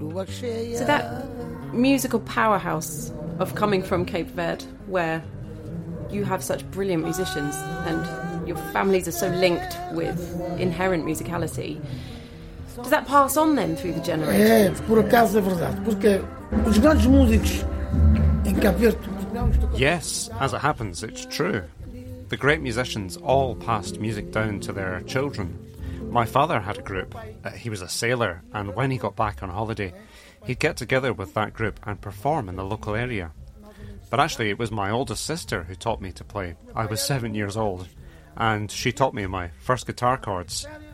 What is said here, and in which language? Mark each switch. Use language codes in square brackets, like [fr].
[en] So that musical powerhouse of coming from Cape Verde, where you have such brilliant musicians and your families are so linked with inherent musicality... Does that pass on then through the generation? [pt] É, por acaso é verdade. Porque os grandes músicos em Cabo Verde... [en] Yes, as it happens, it's true. The great musicians all passed music down to their children. My father had a group. He was a sailor, and when he got back on holiday, he'd get together with that group and perform in the local area. But actually, it was my oldest sister who taught me to play. I was 7 years old, and she taught me my first guitar chords.